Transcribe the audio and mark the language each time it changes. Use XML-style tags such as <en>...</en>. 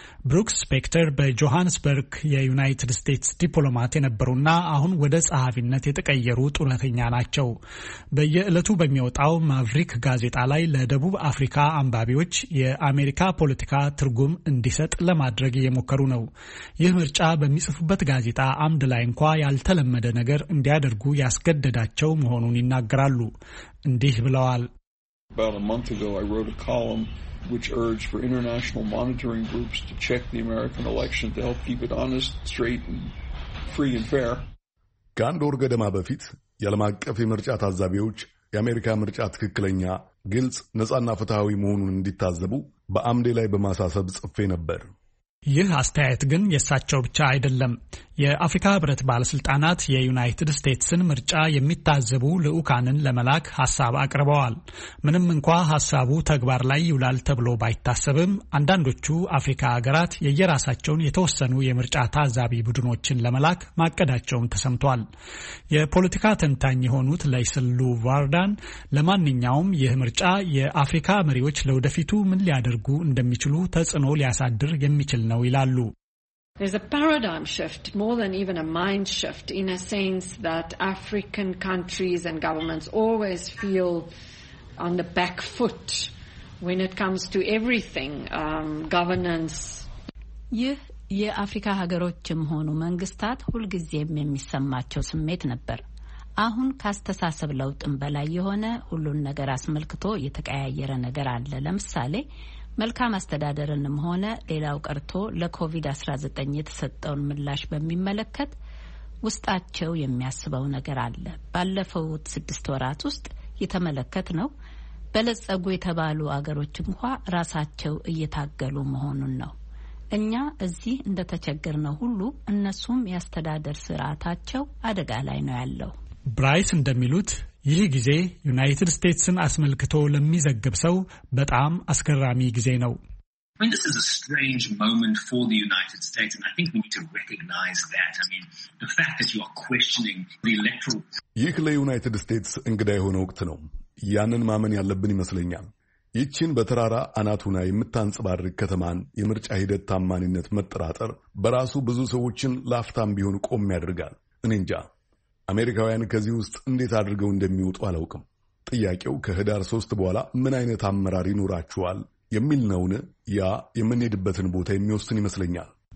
<am>ብሩክስ ስፔክተር በጆሃንስበርግ የዩናይትድ ስቴትስ ዲፕሎማት የነበሩና አሁን ወደ ጸሐፊነት የተቀየሩ ጡረተኛ ናቸው። በየዕለቱ በሚወጣው ማቭሪክ ጋዜጣ ላይ ለደቡብ አፍሪካ አንባቢዎች የአሜሪካ ፖለቲካ ትርጉም እንዲሰጥ ለማድረግ እየሞከሩ ነው። ይህ ምርጫ በሚጽፉበት ጋዜጣ አምድ ላይ እንኳ ያልተለመደ ነገር እንዲያደርጉ ያስገደዳቸው መሆኑን ይናገራሉ። እንዲህ ብለዋል።</am> <en>About a month ago I wrote a column which urged for international monitoring groups to check the American election to help keep it honest, straight, and free and fair.</en> <am>ካንዶር ገደማ በፊት የዓለም አቀፍ የምርጫ ታዛቢዎች የአሜሪካ ምርጫ ትክክለኛ፣ ግልጽ፣ ነጻና ፍትሃዊ መሆኑን እንዲታዘቡ በአምዴ ላይ በማሳሰብ ጽፌ ነበር። ይህ አስተያየት ግን የሳቸው ብቻ አይደለም። የአፍሪካ ህብረት ባለስልጣናት የዩናይትድ ስቴትስን ምርጫ የሚታዘቡ ልዑካንን ለመላክ ሐሳብ አቅርበዋል። ምንም እንኳ ሐሳቡ ተግባር ላይ ይውላል ተብሎ ባይታሰብም አንዳንዶቹ አፍሪካ ሀገራት የየራሳቸውን የተወሰኑ የምርጫ ታዛቢ ቡድኖችን ለመላክ ማቀዳቸውም ተሰምቷል። የፖለቲካ ተንታኝ የሆኑት ለይስሉ ቫርዳን ለማንኛውም ይህ ምርጫ የአፍሪካ መሪዎች ለወደፊቱ ምን ሊያደርጉ እንደሚችሉ ተጽዕኖ ሊያሳድር የሚችል ነው ይላሉ።</am> <en>There's a paradigm shift, more than even a mind shift, in a sense that African countries and governments always feel on the back foot when it comes to everything, governance.</en> <am>ይህ የአፍሪካ ሀገሮችም ሆኑ መንግስታት ሁልጊዜም የሚሰማቸው ስሜት ነበር። አሁን ካስተሳሰብ ለውጥም በላይ የሆነ ሁሉን ነገር አስመልክቶ የተቀያየረ ነገር አለ። ለምሳሌ መልካም አስተዳደርንም ሆነ ሌላው ቀርቶ ለኮቪድ-19 የተሰጠውን ምላሽ በሚመለከት ውስጣቸው የሚያስበው ነገር አለ። ባለፈው 6 ወራት ውስጥ የተመለከት ነው በለጸጉ የተባሉ አገሮች እንኳን ራሳቸው እየታገሉ መሆኑን ነው። እኛ እዚህ እንደተቸገርነው ሁሉ እነሱም ያስተዳደር ስርዓታቸው አደጋ ላይ ነው ያለው። ብራይስ እንደሚሉት ይህ ጊዜ ዩናይትድ ስቴትስን አስመልክቶ ለሚዘግብ ሰው በጣም አስገራሚ ጊዜ ነው።</am> <en>I mean, this is a strange moment for the United States, and I think we need to recognize that. I mean, the fact that you are questioning the electoral...</en> <am>ይህ ለዩናይትድ ስቴትስ እንግዳ የሆነ ወቅት ነው። ያንን ማመን ያለብን ይመስለኛል። ይቺን በተራራ አናቱና የምታንጽባርቅ ከተማን የምርጫ ሂደት ታማኝነት መጠራጠር በራሱ ብዙ ሰዎችን ላፍታም ቢሆን ቆም ያደርጋል። እኔ እንጃ አሜሪካውያን ከዚህ ውስጥ እንዴት አድርገው እንደሚወጡ አላውቅም። ጥያቄው ከህዳር 3 በኋላ ምን አይነት አመራር ይኖራቸዋል የሚል ነውን። ያ የምንሄድበትን ቦታ የሚወስን ይመስለኛል።</am>